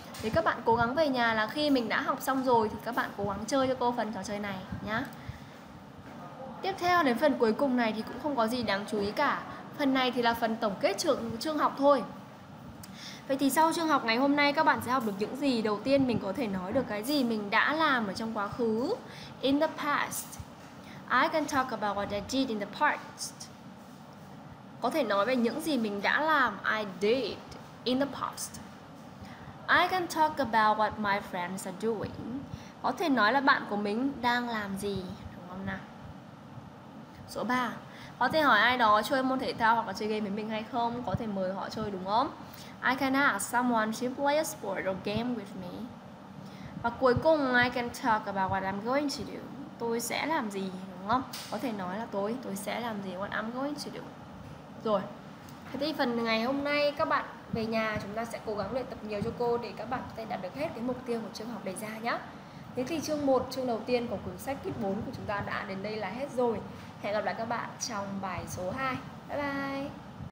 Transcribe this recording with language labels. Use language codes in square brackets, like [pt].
[vi] Thế các bạn cố gắng về nhà là khi mình đã học xong rồi thì các bạn cố gắng chơi cho cô phần trò chơi này nhá. Tiếp theo đến phần cuối cùng này thì cũng không có gì đáng chú ý cả. Phần này thì là phần tổng kết chương học thôi. Vậy thì sau chương học ngày hôm nay các bạn sẽ học được những gì? Đầu tiên mình có thể nói được cái gì mình đã làm ở trong quá khứ. [en] In the past, I can talk about what I did in the past. [vi] Có thể nói về những gì mình đã làm. [en] I did in the past. I can talk about what my friends are doing. [vi] Có thể nói là bạn của mình đang làm gì, đúng không nào? Số 3. Có thể hỏi ai đó chơi môn thể thao hoặc là chơi game với mình hay không. Có thể mời họ chơi, đúng không? [en] I can ask someone to play a sport or game with me. [vi] Và cuối cùng, [en] I can talk about what I'm going to do. [vi] Tôi sẽ làm gì, đúng không? Có thể nói là tôi sẽ làm gì, [en] what I'm going to do. [vi] Rồi, thế thì phần ngày hôm nay các bạn về nhà chúng ta sẽ cố gắng luyện tập nhiều cho cô để các bạn có thể đạt được hết cái mục tiêu của chương học đề ra nhé. Thế thì chương 1, chương đầu tiên của cuốn sách kit 4 của chúng ta đã đến đây là hết rồi. Hẹn gặp lại các bạn trong bài số 2. Bye bye!